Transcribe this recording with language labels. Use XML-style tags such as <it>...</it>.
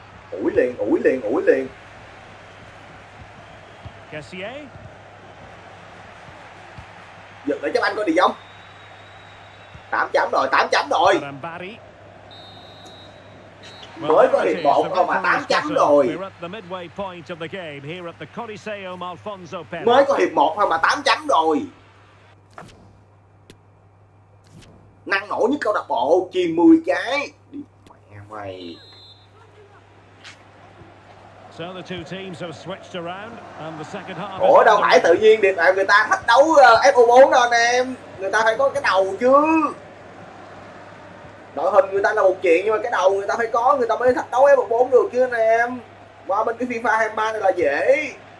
<vi>Ủi liền, ủi liền, ủi liền. Kessier. Giật lại chấp anh có đi giống. 8 chấm rồi, 8 chấm rồi. Mới có hiệp 1 thôi mà 8 chấm rồi.</vi> <en>We're at the midway point of the game here at the Coliseo Alfonso Pena.</en> <vi>Mới có hiệp 1 thôi mà 8 chấm rồi. Năng nổ nhất câu lạc bộ, chìm 10 cái. Đi mẹ mày.</vi> <en>So the two teams have switched around and the second half.</en> <vi>Ủa đâu phải tự nhiên điện thoại người ta thách đấu FO4 đâu anh em. Người ta phải có cái đầu chứ. Đội hình người ta là một chuyện nhưng mà cái đầu người ta phải có, người ta mới thách đấu FO4 được chứ anh em. Qua bên cái FIFA 23 này là dễ.</vi>